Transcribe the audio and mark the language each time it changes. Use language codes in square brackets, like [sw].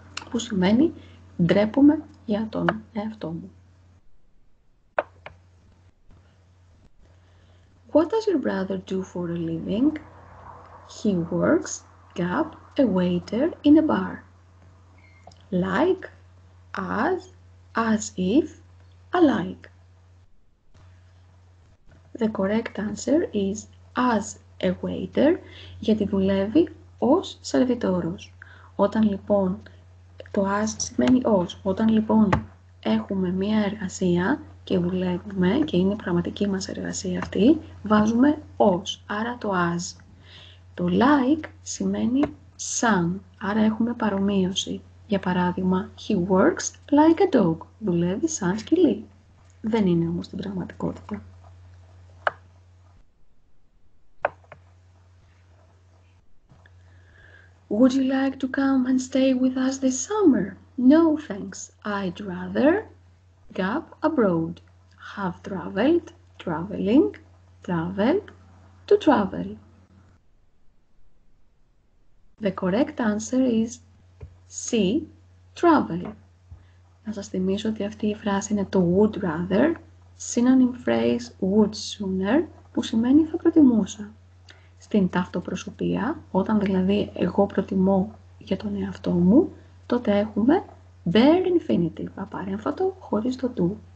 [el] Που σημαίνει ντρέπομαι για τον εαυτό μου. [en] What does your brother do for a living? He works, gap, a waiter in a bar. Like, as if, alike. The correct answer is as a waiter, [el] γιατί δουλεύει ως σερβιτόρος. Όταν λοιπόν, το as σημαίνει ως. Όταν λοιπόν έχουμε μία εργασία και δουλεύουμε και είναι πραγματική μας εργασία αυτή, βάζουμε ως, άρα το as. Το like σημαίνει σαν, άρα έχουμε παρομοίωση. Για παράδειγμα, [en] he works like a dog, [el] δουλεύει σαν σκυλί. Δεν είναι όμως την πραγματικότητα. [en] Would you like to come and stay with us this summer? No, thanks. I'd rather gap abroad. Have traveled, traveling, traveled, to travel. The correct answer is C, travel. [el] Να σας θυμίσω ότι αυτή η φράση είναι το [en] would rather, synonym phrase would sooner, [el] που σημαίνει θα προτιμούσα. Στην ταυτοπροσωπεία, όταν δηλαδή εγώ προτιμώ για τον εαυτό μου, τότε έχουμε bare infinitive, απαρέμφατο, χωρίς το do.